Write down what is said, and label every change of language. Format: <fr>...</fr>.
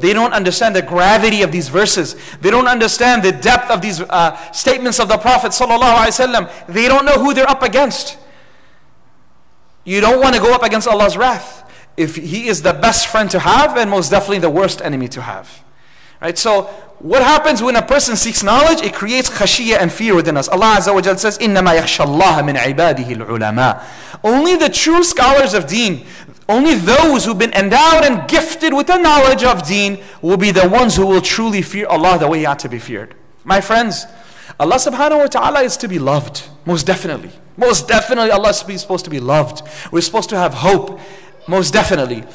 <en>They don't understand the gravity of these verses. They don't understand the depth of these statements of the Prophet ﷺ. They don't know who they're up against. You don't want to go up against Allah's wrath. If he is the best friend to have and most definitely the worst enemy to have. Right? So what happens when a person seeks knowledge? It creates khashiyah and fear within us.</en> <ar>Allah Azza wa Jalla says, إِنَّمَا يَخْشَى اللَّهَ مِنْ عِبَادِهِ الْعُلَمَاءِ.</ar> <en>Only the true scholars of deen, only those who've been endowed and gifted with the knowledge of deen will be the ones who will truly fear Allah the way he ought to be feared. My friends, Allah subhanahu wa ta'ala is to be loved, most definitely. Most definitely Allah is supposed to be loved. We're supposed to have hope. Most definitely.</en>